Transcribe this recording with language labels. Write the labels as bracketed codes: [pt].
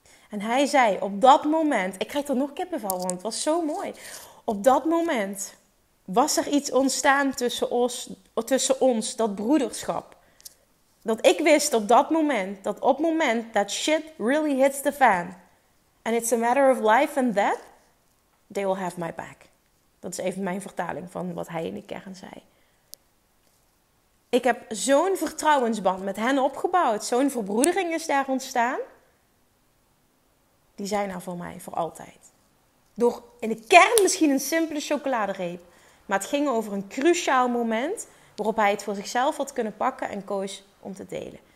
[nl] En hij zei op dat moment, ik krijg er nog kippenvel van, het was zo mooi. Op dat moment was er iets ontstaan tussen ons, dat broederschap. Dat ik wist op dat moment, dat op het moment dat [en] shit really hits the fan. And it's a matter of life and death. They will have my back. [nl] Dat is even mijn vertaling van wat hij in de kern zei. Ik heb zo'n vertrouwensband met hen opgebouwd. Zo'n verbroedering is daar ontstaan. Die zijn er voor mij, voor altijd. Door in de kern misschien een simpele chocoladereep. Maar het ging over een cruciaal moment waarop hij het voor zichzelf had kunnen pakken en koos om te delen.